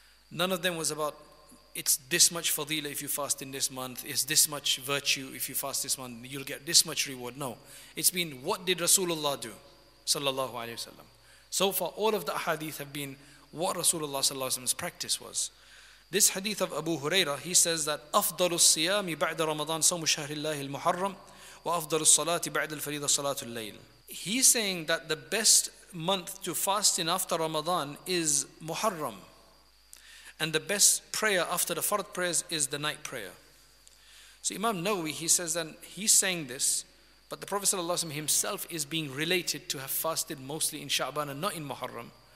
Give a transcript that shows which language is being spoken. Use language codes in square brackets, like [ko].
[en] None of them was about, it's this much fadila if you fast in this month, it's this much virtue if you fast this month, you'll get this much reward. No, it's been, what did Rasulullah do? Sallallahu alayhi wasallam. So far, all of the hadith have been what Rasulullah sallallahu alayhi wasallam's practice was. This hadith of Abu Hurairah, he says that [ar] أَفْضَلُ الصِّيَامِ بَعْدَ رَمَضَانِ صَوْمُ شَهْرِ اللَّهِ الْمُحَرَّمِ وَأَفْضَلُ الصَّلَاةِ بَعْدَ الْفَرِيدَ صَلَاةُ اللَّيْلِ. [en] He's saying that the best month to fast in after Ramadan is Muharram. And the best prayer after the Fard prayers is the night prayer. So Imam Nawawi, he says that he's saying this, but the Prophet sallallahu alaihi wasallam himself is being related to have fasted mostly in Sha'ban and not in Muharram.